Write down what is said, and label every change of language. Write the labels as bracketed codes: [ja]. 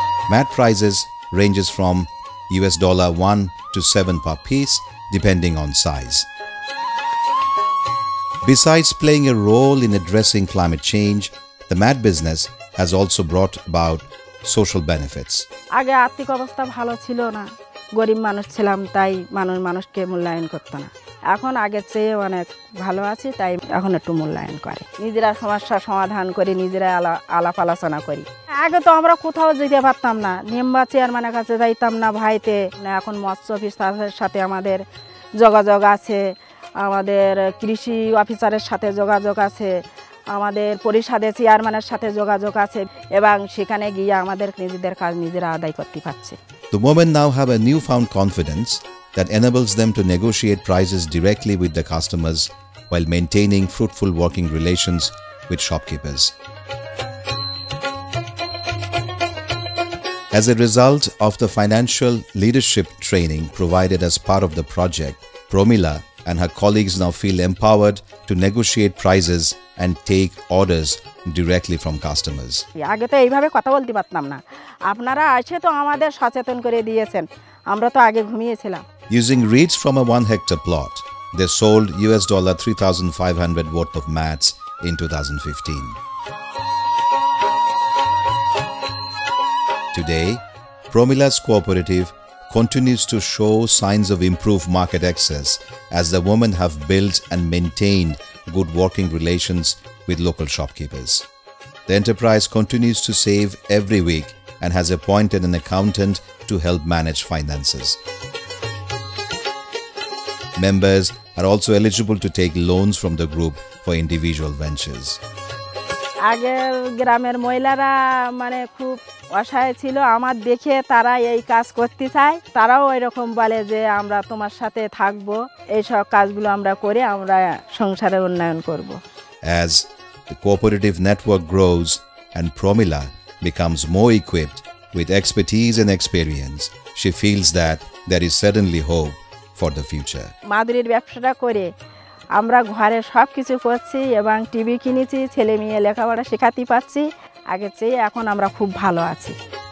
[en] Mat prices ranges from US$1 to $7 per piece, depending on size. Besides playing a role in addressing climate change, the mat business has also brought about social benefits. [bn] আগে আর্থিক অবস্থা ভালো ছিল না, গরিব মানুষ ছিলাম তাই মানুষ মানুষকে মূল্যায়ন করত না। এখন আগের চেয়ে অনেক ভালো আছি তাই এখন একটু মূল্যায়ন করে। নিজেরা সমস্যা সমাধান করি, নিজেরা আলাপ আলোচনা করি। আগে তো আমরা কোথাও যেতে পারতাম না, নিম্বা চেয়ারম্যানের কাছে যাইতাম না ভাইতে। এখন মৎস্য অফিসারের সাথে আমাদের যোগাযোগ আছে, আমাদের কৃষি অফিসারের সাথে যোগাযোগ আছে, আমাদের পরিষদে চেয়ারম্যানের সাথে যোগাযোগ আছে এবং সেখানে গিয়ে আমাদের নিজেদের কাজ নিজেরা আদায় করতে পারছে। [en] The women now have a newfound confidence that enables them to negotiate prices directly with the customers while maintaining fruitful working relations with shopkeepers. As a result of the financial leadership training provided as part of the project, Pramila and her colleagues now feel empowered to negotiate prices and take orders directly from customers. [bn] আগে তো এইভাবে কথা বলতে পারতাম না, আপনারা আছে তো আমাদের সচেতন করে দিয়েছেন, আমরা তো আগে ঘুমিয়েছিলাম। [en] Using reeds from a 1 hectare plot, they sold US$3,500 worth of mats in 2015. Today, Pramila's cooperative continues to show signs of improved market access as the women have built and maintained good working relations with local shopkeepers. The enterprise continues to save every week and has appointed an accountant to help manage finances. Members are also eligible to take loans from the group for individual ventures. [bn] আগের গ্রামের মহিলারা মানে খুব অসহায় ছিল, আমার দেখে তারা এই কাজ করতে চায়, তারাও ওই রকম বলে যে আমরা তোমার সাথে থাকব, এই সব কাজগুলো আমরা করে আমরা সংসারে উন্নয়ন করব। [en] As the cooperative network grows and Pramila becomes more equipped with expertise and experience, she feels that there is certainly hope for the future. [bn] মাদুরির ব্যবসাটা করে আমরা ঘরে সব কিছু করছি এবং টিভি কিনেছি, ছেলে মেয়ে লেখাপড়া শেখাতে পারছি, আগের চেয়ে এখন আমরা খুব ভালো আছি।